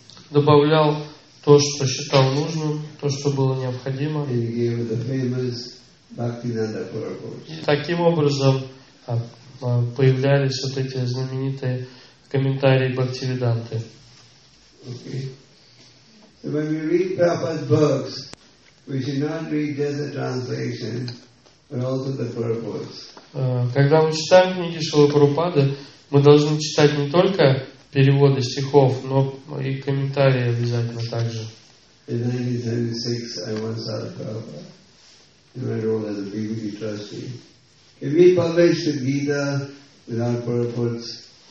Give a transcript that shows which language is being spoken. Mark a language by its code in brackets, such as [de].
[ru] Добавлял то, что считал нужным, то, что было необходимо. И таким образом появлялись вот эти знаменитые комментарии Бхактивиданты. [en] Okay. So when we read Prabhupada's books, we should not read just the translation, but also the purports. [ru] Когда мы читаем книги Шрилы Прабхупады, мы должны читать не только переводы стихов, но и комментарии обязательно также. [en] In 1976, I once saw Prabhupada in my role as a BBD trustee. Can we publish the Gita without purports?